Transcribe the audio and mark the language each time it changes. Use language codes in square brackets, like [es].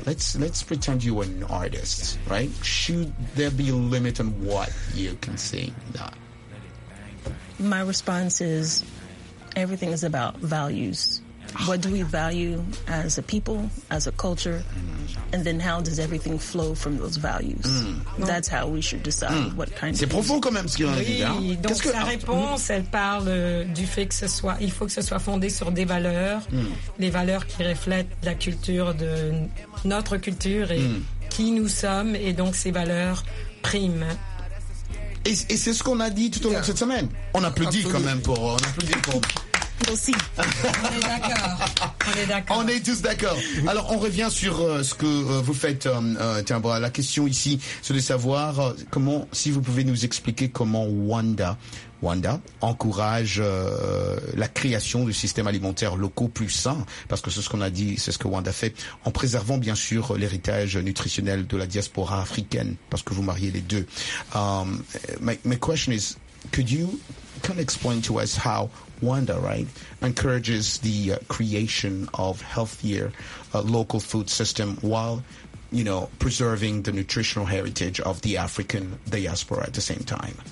[en] Let's pretend you're an artist, right? Should there be a limit on what you can sing? No. My response is everything is about values. What do we value as a people, as a culture? And then how does everything flow from those values? That's how we should decide what kind of... [fr] C'est profond quand même ce qu'il en a dit, hein? Donc sa réponse, elle parle du fait que il faut que ce soit fondé sur des valeurs, les valeurs qui reflètent la culture de notre culture et qui nous sommes, et donc ces valeurs priment. Et c'est ce qu'on a dit tout au long de cette semaine. On applaudit quand même pour... aussi. On est d'accord. On est tous d'accord. Alors, on revient sur ce que vous faites. Tiens, bon, la question ici, c'est de savoir comment, si vous pouvez nous expliquer comment Wanda encourage la création de systèmes alimentaires locaux plus sains, parce que c'est ce qu'on a dit, c'est ce que Wanda fait, en préservant bien sûr l'héritage nutritionnel de la diaspora africaine, parce que vous mariez les deux. [en] My question is, could you kind of explain to us how Wanda, right, encourages the creation of healthier local food system while, you know, preserving the nutritional heritage of the African diaspora at the same time?